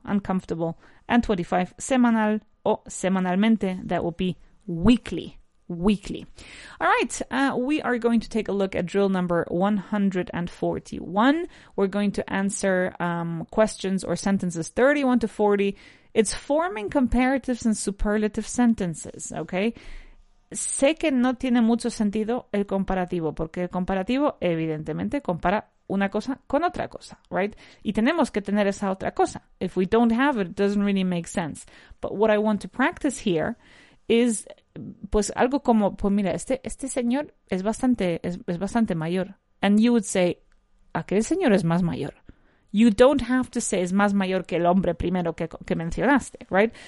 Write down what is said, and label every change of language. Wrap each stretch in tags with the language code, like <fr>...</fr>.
<en>And 25,</en> <es>semanal o semanalmente,</es> <en>that will be weekly. All right, we are going to take a look at drill number 141. We're going to answer questions or sentences 31 to 40. It's forming comparatives and superlative sentences, okay?</en> <es>Sé que no tiene mucho sentido el comparativo, porque el comparativo evidentemente compara una cosa con otra cosa,</es> <en>right?</en> <es>Y tenemos que tener esa otra cosa.</es> <en>If we don't have it, it doesn't really make sense. But what I want to practice here is,</en> <es>pues algo como, pues mira, este señor es bastante mayor.</es> <en>And you would say,</en> <es>aquel señor es más mayor.</es> <en>You don't have to say</en> <es>es más mayor que el hombre primero que mencionaste,</es> <en>right?</en>